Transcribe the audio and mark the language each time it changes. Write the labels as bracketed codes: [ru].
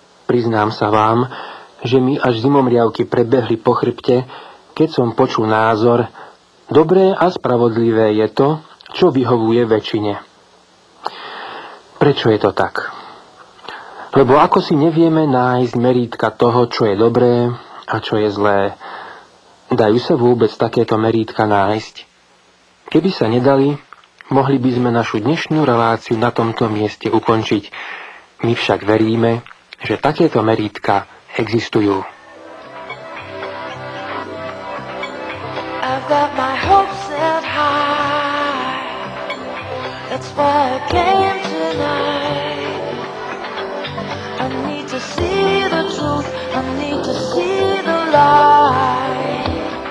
[sk] Priznám sa vám, že mi až zimomriavky prebehli po chrbte, keď som počul názor, dobré a spravodlivé je to, čo vyhovuje väčšine. Prečo je to tak? Lebo ako si nevieme nájsť merítka toho, čo je dobré a čo je zlé? Dajú sa vôbec takéto merítka nájsť? Keby sa nedali, mohli by sme našu dnešnú reláciu na tomto mieste ukončiť. My však veríme, že takéto merítka existujú. [en] I've got my hopes set high. That's why I came tonight. I need to see the truth. I need to see the light.